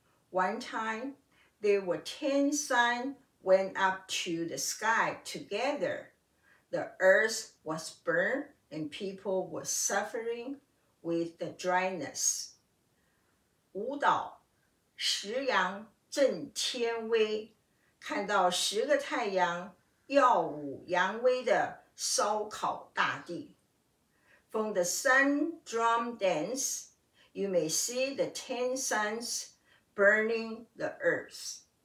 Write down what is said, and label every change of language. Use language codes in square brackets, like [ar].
[en] One time, there were 10 suns went up to the sky together. The earth was burned and people were suffering with the dryness. [zh] 舞蹈，十阳震天威，看到十个太阳耀武扬威的烧烤大地。 [en] From the sun drum dance, you may see the 10 suns burning the earth.